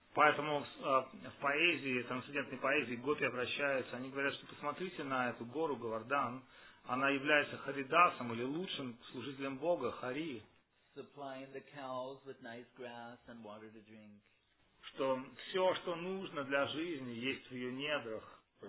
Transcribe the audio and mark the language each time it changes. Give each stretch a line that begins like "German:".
Russian: Поэтому в поэзии, трансцендентной поэзии, гопи обращаются, они говорят, что посмотрите на эту гору Говардан, она является Харидасом или лучшим служителем Бога, Хари.
English: Supplying the cows with nice grass and water to drink.
Russian: Что все, что нужно для жизни, есть в ее недрах.